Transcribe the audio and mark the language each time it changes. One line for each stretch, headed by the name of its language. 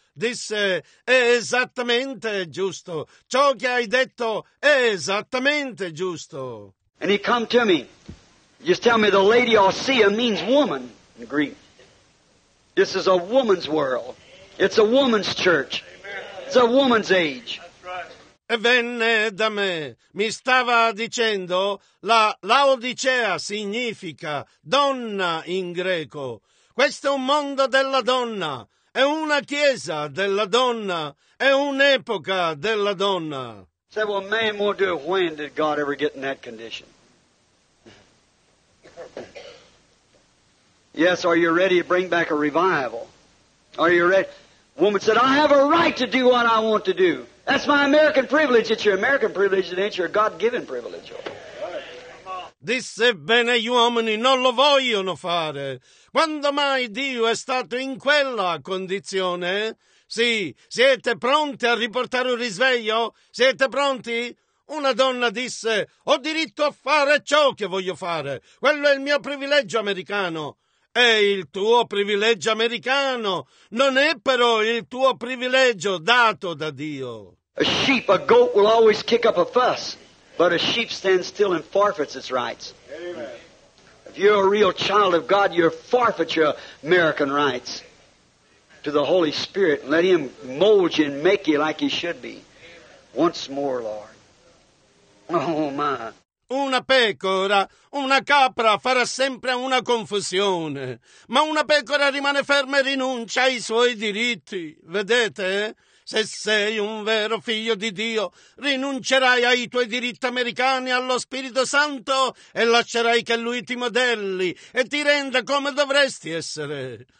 Italian: Disse, è esattamente giusto. Ciò che hai detto è esattamente giusto.
English: And he come to me. Just tell me the lady Osea means woman in Greek. This is a woman's world. It's a woman's church. It's a woman's age.
Italian: E venne da me. Mi stava dicendo, la Laodicea significa donna in greco. Questo è un mondo della donna. È una chiesa della donna, è un'epoca della donna.
English: Say, well, man won't do it. When did God ever get in that condition? Yes, are you ready to bring back a revival? Are you ready? Woman said, I have a right to do what I want to do. That's my American privilege. It's your American privilege. It ain't your God-given privilege.
Italian: Disse bene, gli uomini non lo vogliono fare. Quando mai Dio è stato in quella condizione? Sì, siete pronti a riportare un risveglio? Siete pronti? Una donna disse, ho diritto a fare ciò che voglio fare. Quello è il mio privilegio americano. È il tuo privilegio americano. Non è però il tuo privilegio dato da Dio.
English: A sheep, a goat will always kick up a fuss. But a sheep stands still and forfeits its rights. Amen. If you're a real child of God, you forfeit your American rights to the Holy Spirit. Let Him mold you and make you like He should be. Once more, Lord. Oh, my.
Italian: Una pecora, una capra farà sempre una confusione, ma una pecora rimane ferma e rinuncia ai suoi diritti. Vedete? Se sei un vero figlio di Dio, rinuncerai ai tuoi diritti americani allo Spirito Santo e lascerai che Lui ti modelli e ti renda come dovresti essere.